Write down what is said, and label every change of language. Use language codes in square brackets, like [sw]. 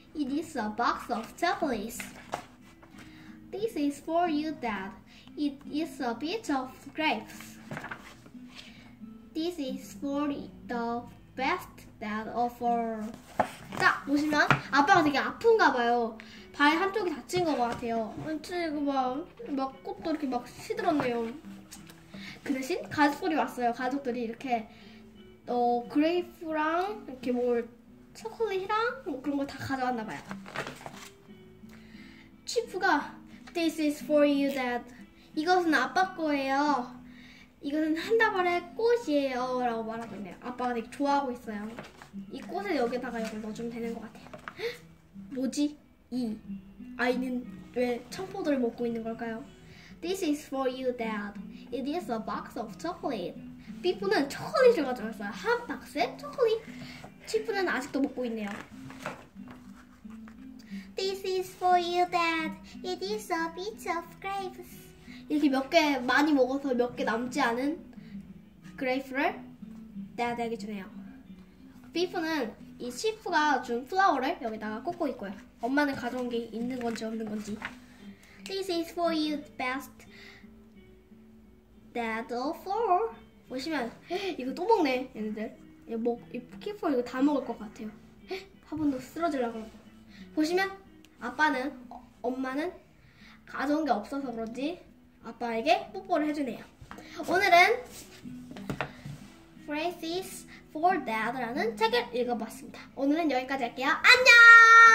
[en] It is a box of chocolates. This is for you, dad. It is a bit of grapes. This is for the best dad of all. [ko] 딱 보시면 아빠가 되게 아픈가 봐요. 발 한쪽이 다친 것 같아요. 그치, 이거 막 꽃도 이렇게 막 시들었네요. 그 대신 가족들이 왔어요. 가족들이 이렇게 그레이프랑 이렇게 뭘 초콜릿이랑 뭐 그런 걸 다 가져왔나 봐요. [en] 치프가 This is for you, Dad. [ko] 이것은 아빠 거예요. 이것은 한 다발의 꽃이에요. 라고 말하고 있네요. 아빠가 되게 좋아하고 있어요. 이 꽃에 여기다가 이걸 넣어주면 되는 것 같아요. 뭐지? 이 아이는 왜 청포도를 먹고 있는 걸까요? [en] This is for you, Dad. It is a box of chocolate. [ko] 피프는 초콜릿을 가져왔어요. 한 박스에 초콜릿. 치프는 아직도 먹고 있네요. [en] This is for you, Dad. It is a bit of grapes. [ko] 이렇게 몇 개 많이 먹어서 몇 개 남지 않은 그레이프를 Dad에게 주네요. 피프는 이 치프가 준 플라워를 여기다가 꽂고 있고요. 엄마는 가져온 게 있는 건지 없는 건지. [en] This is for you, best dad of all. [ko] 보시면 이거 또 먹네 얘네들. 키퍼 이거 다 먹을 것 같아요. 화분도 쓰러지려고. 보시면 아빠는 엄마는 가져온 게 없어서 그런지 아빠에게 뽀뽀를 해주네요. 오늘은 Phrases for Dad라는 책을 읽어봤습니다. 오늘은 여기까지 할게요. 안녕.